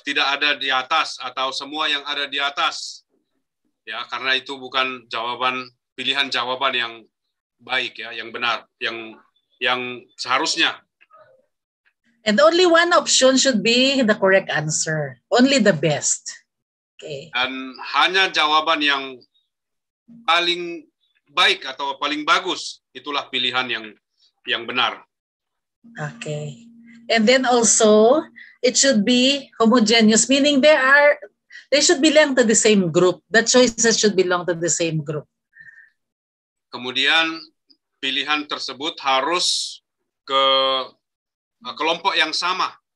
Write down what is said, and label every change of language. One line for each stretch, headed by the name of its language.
Indonesian: Tidak ada di atas atau semua yang ada di atas. Ya, karena itu bukan jawaban pilihan jawaban yang baik ya, yang benar, yang seharusnya.
English: And only one option should be the correct answer. Only the best. Okay.
Indonesian: Dan hanya jawaban yang paling baik atau paling bagus itulah pilihan yang benar.
English: Okay. And then also it should be homogeneous, meaning they should belong to the same group. The choices should belong to the same group.
Indonesian: Kemudian pilihan tersebut harus ke kelompok yang sama.